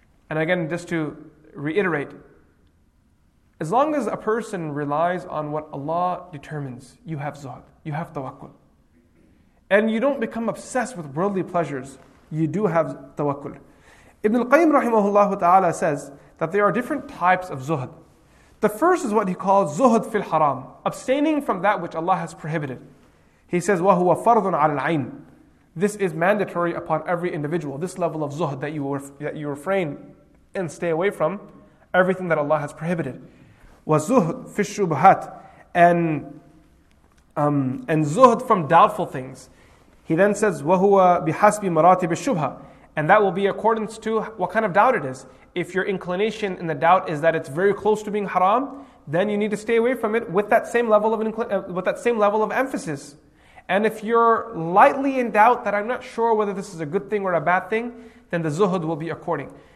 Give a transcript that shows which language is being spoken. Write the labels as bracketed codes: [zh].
[en] And again, just to reiterate, as long as a person relies on what Allah determines, you have zuhd, you have tawakkul. And you don't become obsessed with worldly pleasures, you do have tawakkul. Ibn al-Qayyim rahimahullah ta'ala says that there are different types of zuhd. The first is what he calls zuhd fil haram, abstaining from that which Allah has prohibited. He says, [ar] وَهُوَ فَرْضٌ عَلَى الْعَيْنِ. [en] This is mandatory upon every individual, this level of zuhd, that you refrain and stay away from everything that Allah has prohibited. [ar] وَزُهْد فِي الشُّبْهَاتِ, [en] and zuhd from doubtful things. He then says, [ar] وَهُوَ بِحَسْبِ مَرَاتِبِ الشُّبْهَةِ. [en] And that will be accordance to what kind of doubt it is. If your inclination in the doubt is that it's very close to being haram, then you need to stay away from it with that same level of emphasis. And if you're lightly in doubt that I'm not sure whether this is a good thing or a bad thing, then the zuhud will be according.